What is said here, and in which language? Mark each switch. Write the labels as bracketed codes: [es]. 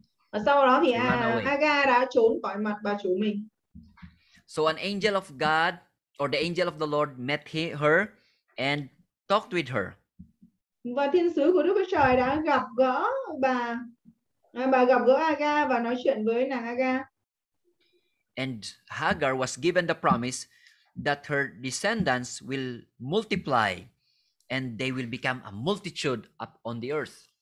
[vi] Và sau đó thì Aga đã trốn khỏi mặt bà chủ mình. [en] So an angel of God or the angel of the Lord met her and talked with her. [vi] Và thiên sứ của Đức Chúa Trời đã gặp gỡ bà gặp gỡ Aga và nói chuyện với nàng Aga. [en] And Hagar was given the promise that her descendants will multiply and they will become a multitude up on the earth.